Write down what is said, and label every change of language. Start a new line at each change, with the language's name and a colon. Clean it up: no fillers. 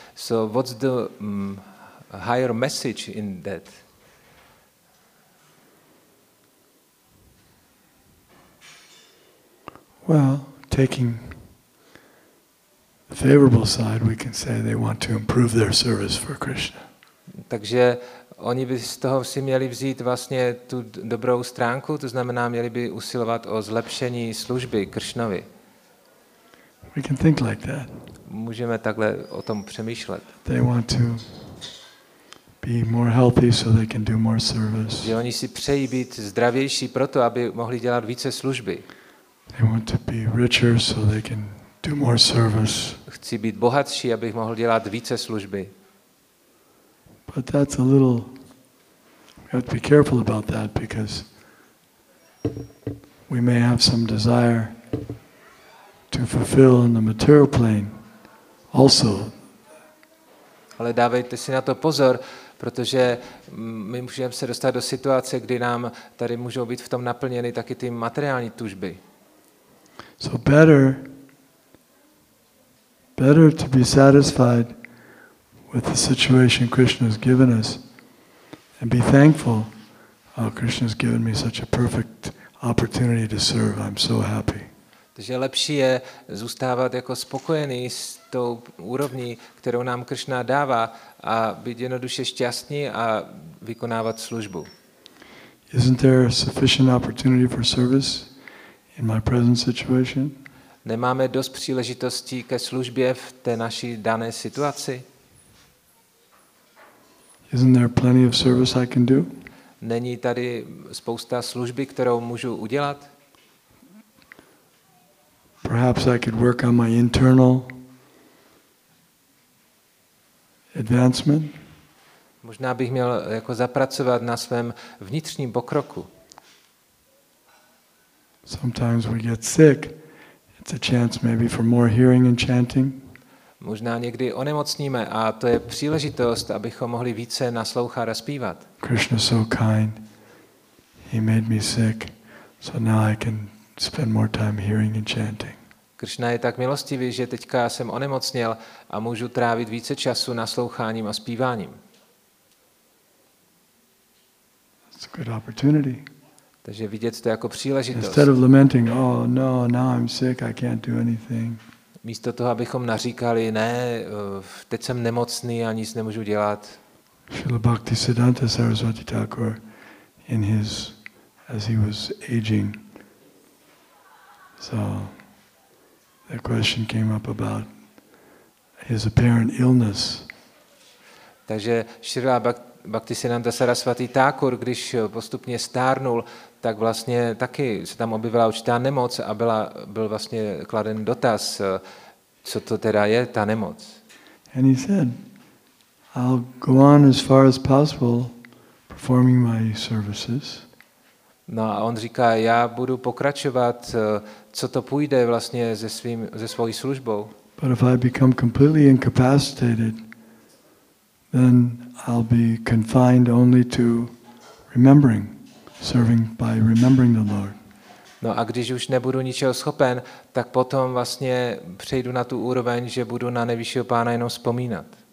English: So what's the higher message in that? Well, taking the favorable side, we can say they want to improve their service for Krishna.
Czech: Takže oni by z toho si měli vzít vlastně tu dobrou stránku, to znamená, měli by usilovat o zlepšení služby Kršnovi.
English: We can think like that.
Czech: můžeme takhle o tom přemýšlet.
English: They want to be more healthy so they can do more service.
Czech: Že oni si přejí být zdravější proto, aby mohli dělat více služby.
English: They want to be richer so they can do more service.
Czech: Chci být bohatší, abych mohl dělat více služby.
English: But that's a little, we have to be careful about that because we may have some desire to fulfill in the material plane also.
Czech: Ale dávejte si na to pozor, protože my můžeme se dostat do situace, kdy nám tady můžou být v tom naplněny taky ty materiální tužby.
English: So better to be satisfied with the situation Krishna has given us and be thankful. Oh, Krishna has given me such a perfect opportunity to serve. I'm so happy.
Czech: Takže lepší je zůstávat jako spokojený s tou úrovní, kterou nám Krishna dává a být jednoduše šťastný a vykonávat službu.
English: Isn't there a sufficient opportunity for service in my present situation?
Czech: Nemáme dost příležitostí ke službě v té naší dané situaci?
English: Isn't there plenty of service I can do?
Czech: Není tady spousta služby, kterou můžu udělat?
English: Perhaps I could work on my internal advancement.
Czech: Možná bych měl jako zapracovat na svém vnitřním pokroku.
English: Sometimes we get sick. It's a chance maybe for more hearing and chanting.
Czech: Možná někdy onemocníme a to je příležitost, abychom mohli více naslouchat a zpívat.
English: Krishna is so kind. He made me sick, so now I can spend more time hearing and chanting.
Czech: Krishna je tak milostivý, že teďka jsem onemocněl a můžu trávit více času nasloucháním a zpíváním.
English: That's a good opportunity.
Czech: Takže vidět to jako příležitost.
English: Instead of lamenting, oh no, now I'm sick, I can't do anything.
Czech: Místo toho, abychom naříkali, ne, teď jsem nemocný a nic nemůžu dělat.
English: Srila Bhakti Siddhanta Saraswati Thakur, in his, as he was aging, so the question came up about his apparent illness.
Czech: Takže Srila Bhakti Siddhanta Saraswati Thakur, když postupně stárnul, tak vlastně taky se tam objevila určitá nemoc a byl vlastně kladen dotaz, co to teda je ta nemoc.
English: And he said, I'll go on as far as possible performing my services.
Czech: No a on říká, já budu pokračovat, co to půjde vlastně ze svojí službou.
English: But if I become completely incapacitated, then I'll be confined only to remembering, serving by remembering the Lord.
Czech: No a když už nebudu ničeho schopen, tak potom vlastně přejdu na tu úroveň, že budu na nejvyššího pána jenom vzpomínat.